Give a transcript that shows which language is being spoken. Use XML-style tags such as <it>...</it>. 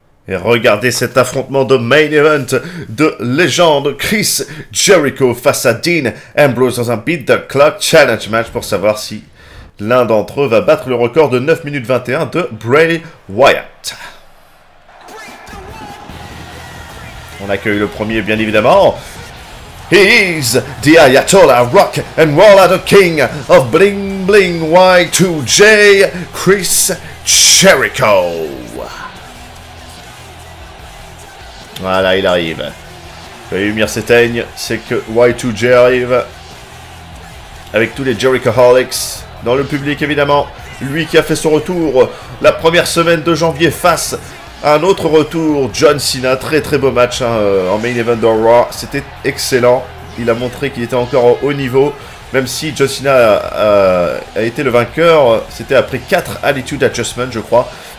<fr>Et regardez cet affrontement de main event de légende Chris Jericho face à Dean Ambrose dans un Beat the Clock Challenge match pour savoir si l'un d'entre eux va battre le record de 9 minutes 21 de Bray Wyatt. On accueille le premier, bien évidemment.</fr> <en>He is the Ayatollah Rock and Roll at the King of Bling Bling Y2J, Chris Jericho.</en> <fr>Voilà, il arrive. Les lumières s'éteignent, c'est que Y2J arrive. Avec tous les Jerichoholics dans le public, évidemment. Lui qui a fait son retour la première semaine de janvier face... Un autre retour, John Cena, très très beau match hein, en main event de Raw, c'était excellent, il a montré qu'il était encore au haut niveau, même si John Cena a été le vainqueur, c'était après 4 attitude adjustments je crois,</fr>